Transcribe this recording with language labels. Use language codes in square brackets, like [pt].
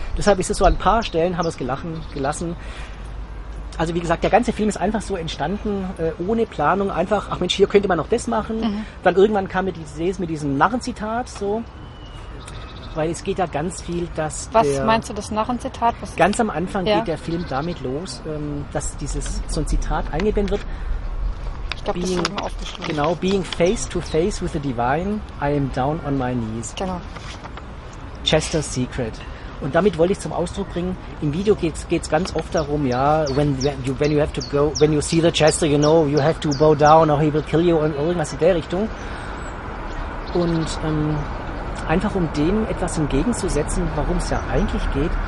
[de] Deshalb ist es so, an ein paar Stellen haben wir es gelassen. Also wie gesagt, der ganze Film ist einfach so entstanden, ohne Planung, einfach, ach Mensch, hier könnte man noch das machen. Dann irgendwann kam mir die Idee mit diesem Narrenzitat so. Weil es geht ja ganz viel, dass was der... Was meinst du, das Narrenzitat? Ganz am Anfang geht der Film damit los, dass dieses so ein Zitat eingeblendet wird. Ich glaube, das habe ich mal aufgeschrieben. Genau, [en] being face to face with the divine, I am down on my knees. [de] Genau. [en] Chester's Secret. [de] Und damit wollte ich zum Ausdruck bringen, im Video geht es ganz oft darum, ja, [en] when you see the Chester, you know, you have to bow down or he will kill you [de] und irgendwas in der Richtung. Und einfach um dem etwas entgegenzusetzen, warum es ja eigentlich geht.